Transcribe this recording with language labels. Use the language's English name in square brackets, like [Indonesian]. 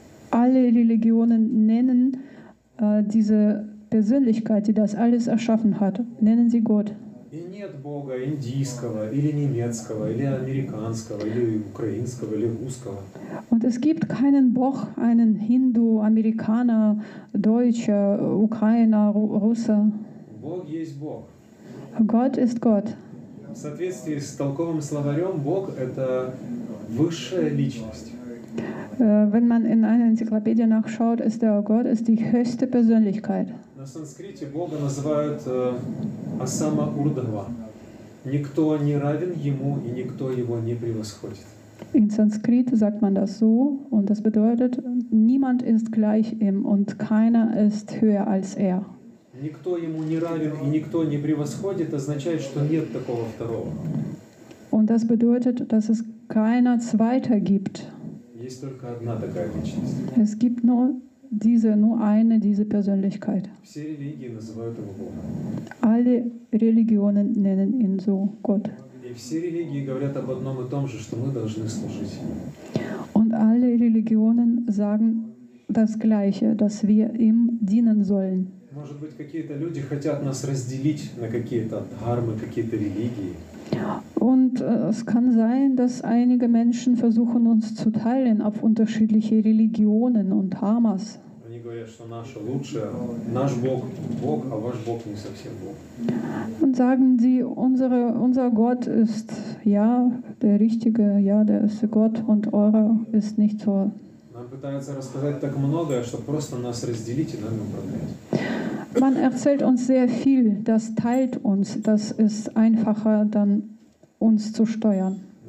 [German] Alle Religionen nennen diese Persönlichkeit, die das alles erschaffen hat, nennen sie Gott. [Russian] И нет Бога индийского, или немецкого, или американского, или украинского, или русского. [German] Und es gibt keinen Бог, einen Hindu, Amerikaner, Deutscher, Ukrainer, Russe. [Russian] Бог есть Бог. [German] Gott ist Gott. [Russian] В соответствии с толковым словарем, Бог – это высшая личность. [German] Wenn man in einer Enzyklopädie nachschaut, ist der Gott ist die höchste Persönlichkeit. [Russian] На санскрите Бога называют Асама Урдхва. Никто не равен ему и никто его не превосходит. [German] In Sanskrit sagt man das so und das bedeutet, niemand ist gleich ihm und keiner ist höher als er. [Russian] Никто ему не равен и никто не превосходит, означает, что нет такого второго. [German] Und das bedeutet, dass es keiner zweiter gibt. [Russian] Есть только одна такая личность. [German] Es gibt nur diese Persönlichkeit. [Russian] Все религии называют его Богом. [German] Alle Religionen nennen ihn so Gott. [Russian] И все религии говорят об одном и том же, что мы должны служить. [German] Und alle Religionen sagen das Gleiche, dass wir ihm dienen sollen. [Russian] Может быть, какие-то люди хотят нас разделить на какие-то дхармы, какие-то религии. [German] Und es kann sein, dass einige Menschen versuchen, uns zu teilen auf unterschiedliche Religionen und Dharmas. [Russian] Они говорят, что наше лучшее, наш Бог – Бог, а ваш Бог не совсем Бог. [German] Und sagen sie, unser Gott ist, ja, der Richtige, ja, der ist Gott, und eurer ist nicht so. [Russian] Нам пытаются рассказать так многое, чтобы просто нас разделить и нами управлять. [German] Man erzählt uns sehr viel, das teilt uns, das ist einfacher, dann uns zu steuern.